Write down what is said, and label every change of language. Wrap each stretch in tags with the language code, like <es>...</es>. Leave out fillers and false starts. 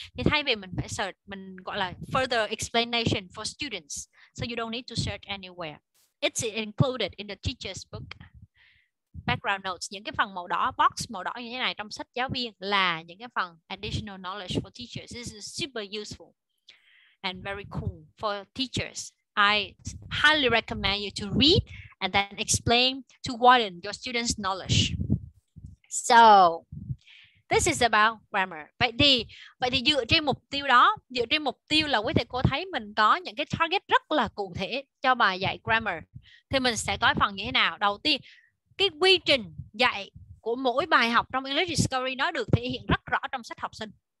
<vi>Thì thay vì mình phải search, mình gọi là</vi> <en>further explanation for students. So you don't need to search anywhere. It's included in the teacher's book.</en> <vi>Background notes, những cái phần màu đỏ, box màu đỏ như thế này trong sách giáo viên là những cái phần</vi> <en>additional knowledge for teachers. This is super useful and very cool for teachers. I highly recommend you to read and then explain to widen your students' knowledge. So, this is about grammar.</en> <vi>Vậy thì dựa trên mục tiêu đó, dựa trên mục tiêu là quý thầy cô thấy mình có những cái target rất là cụ thể cho bài dạy grammar, thì mình sẽ có phần như thế nào? Đầu tiên, cái quy trình dạy của mỗi bài học trong English Discovery nó được thể hiện rất rõ trong sách học sinh.</vi>